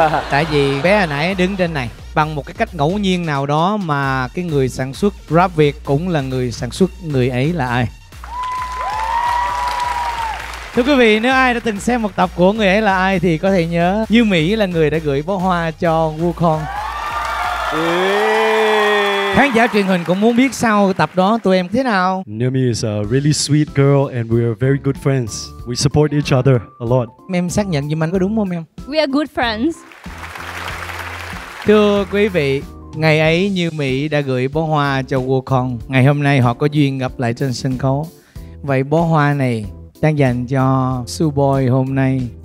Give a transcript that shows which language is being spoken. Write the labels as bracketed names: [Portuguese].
[Vietnamese] Tại vì bé hồi nãy đứng trên này. Bằng một cái cách ngẫu nhiên nào đó mà cái người sản xuất rap Việt cũng là người sản xuất người ấy là ai? Thưa quý vị, nếu ai đã từng xem một tập của người ấy là ai thì có thể nhớ Như Mỹ là người đã gửi bó hoa cho Wukong. Khán giả truyền hình cũng muốn biết sau tập đó tụi em thế nào. [English] Numi is a really sweet girl and we are very good friends. We support each other a lot. [Vietnamese] Em xác nhận giùm anh có đúng không em? [English] We are good friends. [Vietnamese] Thưa quý vị, ngày ấy Như Mỹ đã gửi bó hoa cho Wukong. Ngày hôm nay họ có duyên gặp lại trên sân khấu. Vậy bó hoa này đang dành cho Suboy hôm nay.